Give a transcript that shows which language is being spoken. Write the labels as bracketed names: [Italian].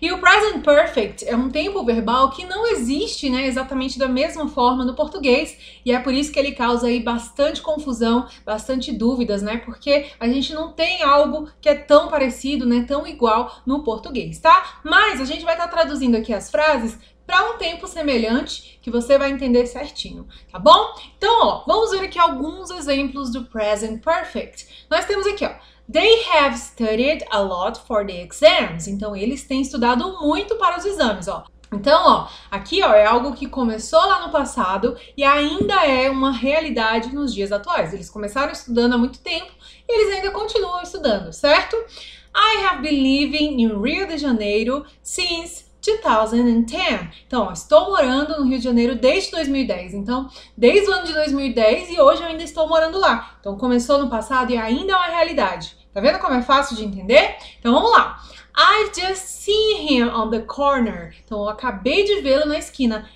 [Portuguese] E o present perfect é um tempo verbal que não existe, né, exatamente da mesma forma no português, e é por isso que ele causa aí bastante confusão, bastante dúvidas, né, porque a gente não tem algo que é tão parecido, né, tão igual no português, tá? Mas a gente vai estar traduzindo aqui as frases para um tempo semelhante, que você vai entender certinho, tá bom? Então, ó, vamos ver aqui alguns exemplos do present perfect. Nós temos aqui, ó, [English] they have studied a lot for the exams. [Portuguese] Então, eles têm estudado muito para os exames, ó. Então, ó, aqui, ó, é algo que começou lá no passado e ainda é uma realidade nos dias atuais. Eles começaram estudando há muito tempo e eles ainda continuam estudando, certo? [English] I have been living in Rio de Janeiro since 2010. [Portuguese] Então, ó, estou morando no Rio de Janeiro desde 2010. Então, desde o ano de 2010 e hoje eu ainda estou morando lá. Então, começou no passado e ainda é uma realidade. Tá vendo como é fácil de entender? Então, vamos lá. [English] I've just seen him on the corner. [Portuguese] Então, eu acabei de vê-lo na esquina.